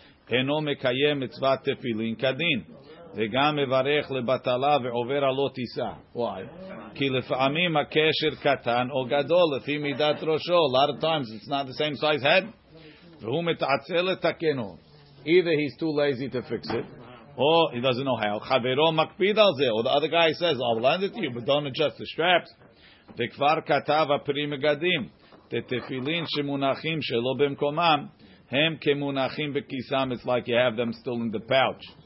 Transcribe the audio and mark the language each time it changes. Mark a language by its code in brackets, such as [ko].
[he] אינו מקיים מצוות תפילין כדין, וגם מברך לבטלה ועובר על לא תישא. [en] Why? [he] כי לפעמים הקשר קטן או גדול, לפי מידת ראשו. [en] A lot of times it's not the same size head. [he] והוא מתעצל לתקנו. [en] Either he's too lazy to fix it, or he doesn't know how. [he] חברו מקפיד על זה. [en] Or the other guy says, I'll lend it to you, but don't adjust the straps. [he] וכבר כתב הפרי מגדים, תתפילין שמונחים שלא במקומם, הם כמונחים בכיסם, [en] it's like you have them still in the pouch.